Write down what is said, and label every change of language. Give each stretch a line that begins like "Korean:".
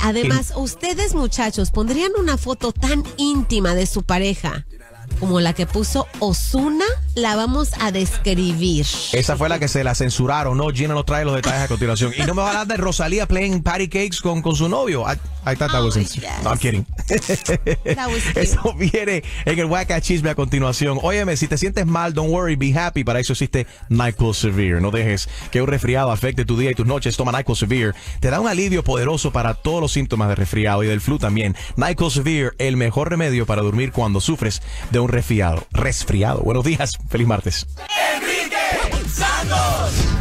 Spanish: Además, ustedes, muchachos, ¿pondrían una foto tan íntima de su pareja como la que puso Ozuna? La vamos a describir. Esa fue la que se la censuraron, ¿no? Gina nos trae los detalles a continuación. Y no me va a hablar de Rosalía
English: playing patty cakes
Spanish: con su novio.
English: I thought that was yes. No, I'm kidding.
Spanish: Eso viene en el Wack at Chisme a continuación. Óyeme, si te sientes mal,
English: don't worry, be happy.
Spanish: Para eso existe NyQuil Severe. No dejes que un resfriado afecte tu día y tus noches. Toma NyQuil Severe. Te da un alivio poderoso para todos los síntomas de resfriado y del flu también. NyQuil Severe, el mejor remedio para dormir cuando sufres de un resfriado. Resfriado. Buenos días. Feliz martes. Enrique Santos.